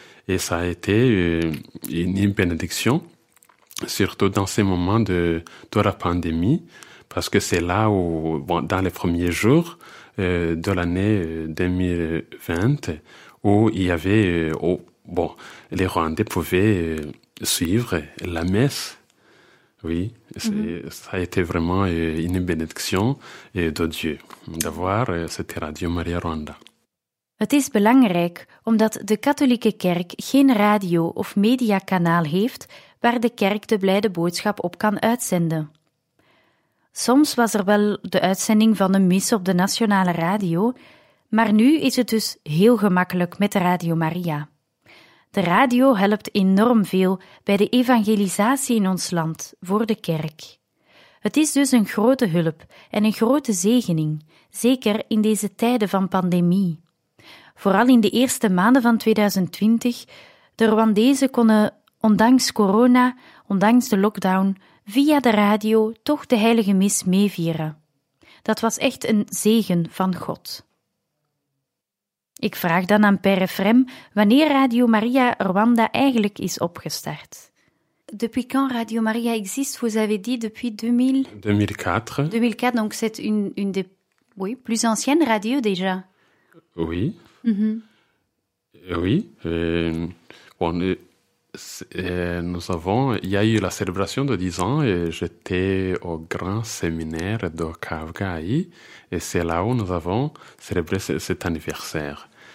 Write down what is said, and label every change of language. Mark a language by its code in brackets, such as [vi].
[fr] Et ça a été une bénédiction, surtout dans ces moments de la pandémie, parce que c'est là où, dans les premiers jours de l'année 2020, où il y avait... les Rwandais pouvaient suivre la messe. Oui, ça a été vraiment une bénédiction de Dieu d'avoir cette Radio Maria Rwanda. [nl] Het is belangrijk omdat de katholieke kerk geen radio- of mediakanaal heeft waar de kerk de blijde boodschap op kan uitzenden. Soms was er wel de uitzending van een mis op de nationale radio, maar nu is het dus heel gemakkelijk met Radio Maria. De radio helpt enorm veel bij de evangelisatie in ons land, voor de kerk. Het is dus een grote hulp en een grote zegening, zeker in deze tijden van pandemie. Vooral in de eerste maanden van 2020, de Rwandezen konden, ondanks corona, ondanks de lockdown, via de radio toch de Heilige Mis meevieren. Dat was echt een zegen van God. Ik vraag dan aan Père Frem wanneer Radio Maria Rwanda eigenlijk is opgestart. [fr] Depuis quand Radio Maria existe, vous avez dit depuis 2004. 2004, donc c'est une des oui, plus anciennes radios déjà. Oui. Oui. Nous avons, il y a eu la célébration de 10 ans et j'étais au grand séminaire de Kavgaï et c'est là où nous avons célébré cet anniversaire.